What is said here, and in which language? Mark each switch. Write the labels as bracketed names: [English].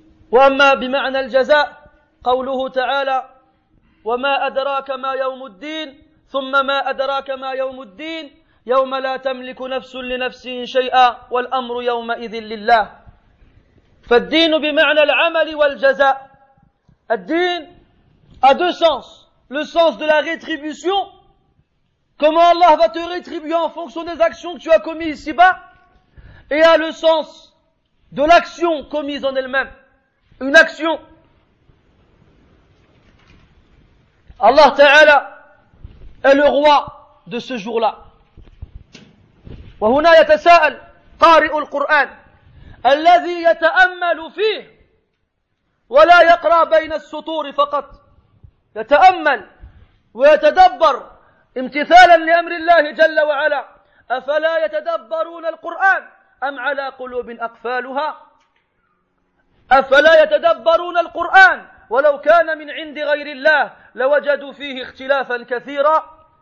[Arabic] وأما بمعنى الجزاء قوله تعالى وما أدراك ما يوم الدين ثم ما أدراك ما يوم الدين يوم لا تملك نفس لنفس شيئا والأمر يومئذ لله. فالدين بمعنى العمل والجزاء. [French] الدين a deux sens. Le sens de la rétribution, comment Allah va te rétribuer en fonction des actions que tu as commises ici-bas, et a le sens de l'action commise en elle-même. Une action. Allah Ta'ala est le roi de ce jour-là. [Arabic] وهنا يتساءل قارئ القرآن الذي يتأمل فيه ولا يقرأ بين السطور فقط، يتأمل ويتدبر امتثالا لأمر الله جل وعلا، أفلا يتدبرون القرآن أم على قلوب أقفالها، أفلا يتدبرون القرآن ولو كان من عند غير الله لوجدوا فيه اختلافا كثيرا.